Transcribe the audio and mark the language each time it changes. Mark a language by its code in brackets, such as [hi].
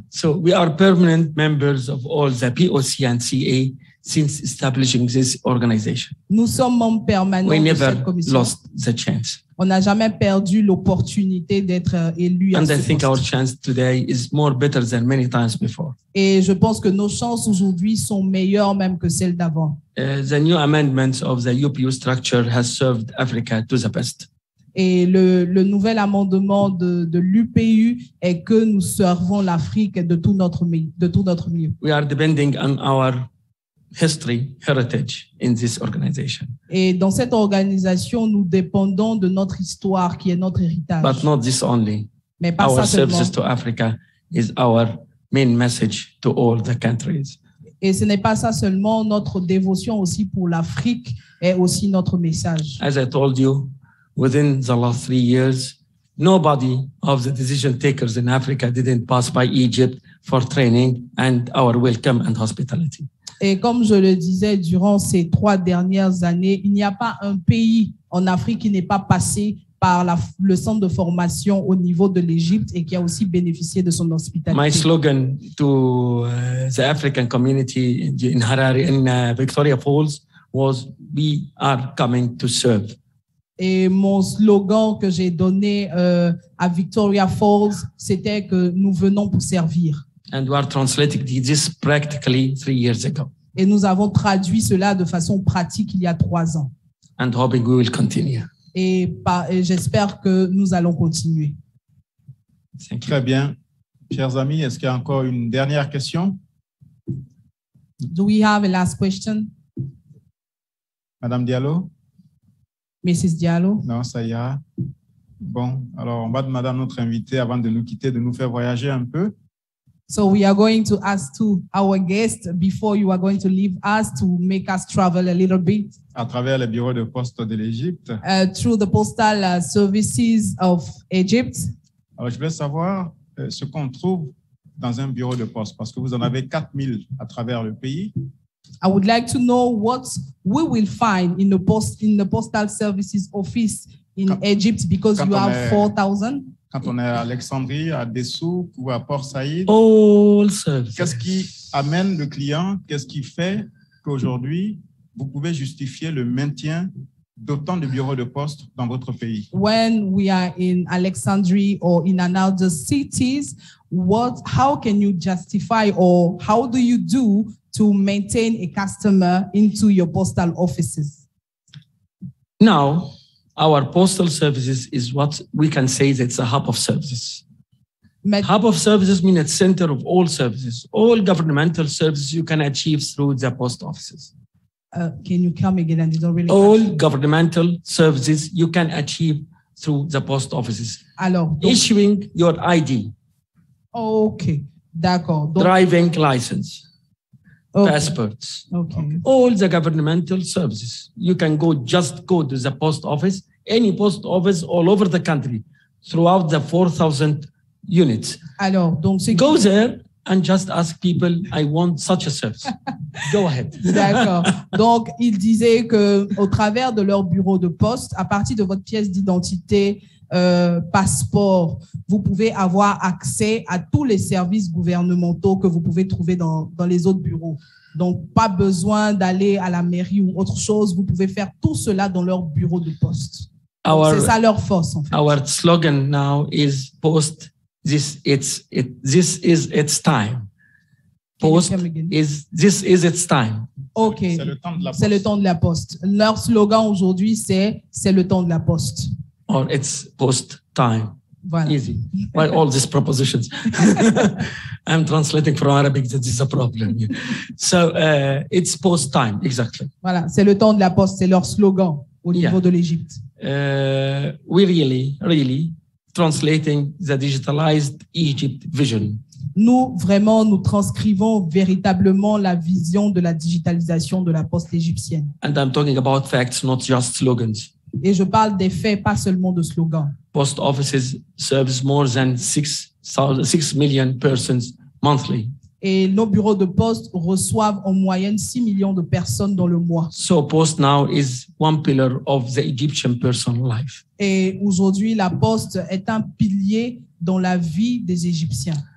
[en] So we are permanent members of all the POC and CA since establishing this organization. [fr] Nous sommes membres permanents. [en] We never lost the chance. [fr] On n'a jamais perdu l'opportunité d'être élu. [en] And I think our chance today is more better than many times before. [fr] Et je pense que nos chances aujourd'hui sont meilleures même que celles d'avant. [en] The new amendments of the UPU structure has served Africa to the best. [fr] Et le nouvel amendement de l'UPU est que nous servons l'Afrique de tout notre mieux. [en] We are depending on our history, heritage in this organization. [fr] Et dans cette organisation, nous dépendons de notre histoire qui est notre héritage. [en] But not this only. [fr] Mais pas [en] our services to Africa is our main message to all the countries. [fr] Et ce n'est pas ça seulement, notre dévotion aussi pour l'Afrique est aussi notre message. [en] As I told you, within the last 3 years, nobody of the decision takers in Africa didn't pass by Egypt for training and our welcome and hospitality. [fr] Et comme je le disais, durant ces 3 dernières années, il n'y a pas un pays en Afrique qui n'est pas passé par le centre de formation au niveau de l'Égypte et qui a aussi bénéficié de son hospitalité. [en] My slogan to the African community in Harare and Victoria Falls was, "We are coming to serve." [fr] Et mon slogan que j'ai donné à Victoria Falls, c'était que nous venons pour servir. [en] And we are translating this practically 3 years ago. [fr] Et nous avons traduit cela de façon pratique il y a 3 ans. [en] And hoping we will continue. [fr] Et j'espère que nous allons continuer. Très bien. Chers amis, est-ce qu'il y a encore une dernière question? [en] Do we have a last question? [fr] Madame Diallo? [en] Mrs. Diallo. [fr] Non, ça y est. Bon, alors on va demander à notre invitée avant de nous quitter de nous faire voyager un peu. [en] So we are going to ask to our guest before you are going to leave us to make us travel a little bit. [fr] À travers les bureaux de poste de l'Égypte. [en] Through the postal services of Egypt. [fr] Alors je voulais savoir ce qu'on trouve dans un bureau de poste parce que vous en avez 4000 à travers le pays. [en] I would like to know what we will find in the post in the postal services office in Egypt because you have 4,000. [fr] Quand on est à Alexandrie, à Dessou ou à Port Saïd, [en] all services. [fr] Qu'est-ce qui amène le client? Qu'est-ce qui fait qu'aujourd'hui vous pouvez justifier le maintien d'autant de bureaux de poste dans votre pays? [en] When we are in Alexandrie or in another cities, what? How can you justify or how do you do to maintain a customer into your postal offices? Now, our postal services is what we can say that it's a hub of services. Hub of services means a center of all services, all governmental services you can achieve through the post offices. Can you come again? And don't really all catch. Governmental services you can achieve through the post offices. [fr] Alors, [en] issuing your ID. [fr] Okay, d'accord. [en] Driving license. Okay. Passports. Okay. All the governmental services. You can go to the post office, any post office all over the country, throughout the 4,000 units. [fr] Alors, donc c'est [en] go there and just ask people, I want such a service. Go ahead. [fr] D'accord. Donc, il disait que au travers de leur bureau de poste, à partir de votre pièce d'identité, passeport, vous pouvez avoir accès à tous les services gouvernementaux que vous pouvez trouver dans les autres bureaux. Donc, pas besoin d'aller à la mairie ou autre chose, vous pouvez faire tout cela dans leur bureau de poste. C'est ça leur force, en fait. [en] Our slogan now is post, this is its time. Post, this is its time. Ok, [fr] c'est le temps de la poste. Leur slogan aujourd'hui, c'est le temps de la poste. [en] Or it's post time. [fr] Voilà. [en] Easy. Why all these propositions? I'm translating from Arabic, that is a problem. So it's post time, exactly. [fr] Voilà, c'est le temps de la poste, c'est leur slogan au niveau de l'Égypte. [en] We really, really translating the digitalized Egypt vision. [fr] Nous, vraiment, nous transcrivons véritablement la vision de la digitalisation de la poste égyptienne. [en] And I'm talking about facts, not just slogans. [fr] et je parle des faits, pas seulement de slogans. [en] Post offices serves more than 6 million persons monthly. [fr] Et nos bureaux de poste reçoivent en moyenne 6 millions de personnes dans le mois. [en] So post now is one pillar of the Egyptian personal life. [fr] Et aujourd'hui, la poste est un pilier dans la vie des Égyptiens.